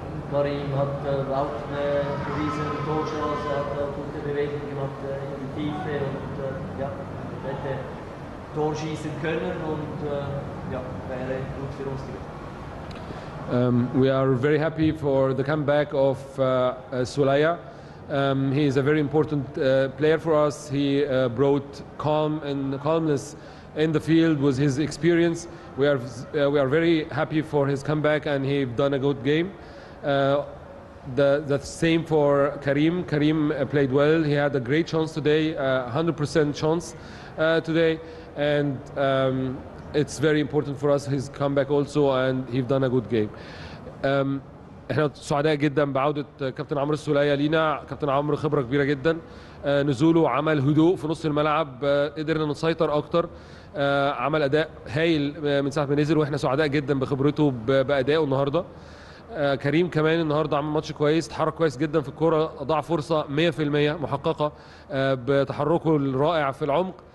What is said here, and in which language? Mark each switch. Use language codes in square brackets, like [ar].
[de] Karim hat auch eine riesige Torchance, er hat gute Bewegung gemacht in die Tiefe und ja, hätte Tor schießen können und ja, wäre gut für uns gewesen. [en] We are very happy for the comeback of Sulaya. He is a very important player for us. He brought calm and calmness in the field with his experience. We are very happy for his comeback, and he done a good game. The same for Karim. Karim played well. He had a great chance today, 100% chance today, and it's very important for us his comeback also, and he've done a good game. [ar] احنا سعداء جدا بعوده كابتن عمرو السوليه لينا. كابتن عمرو خبره كبيره جدا، نزوله عمل هدوء في نص الملعب، قدرنا نسيطر اكتر، عمل اداء هايل من ساعه ما نزل، واحنا سعداء جدا بخبرته بادائه النهارده. كريم كمان النهارده عمل ماتش كويس، تحرك كويس جدا في الكوره، ضاع فرصه 100% محققه بتحركه الرائع في العمق.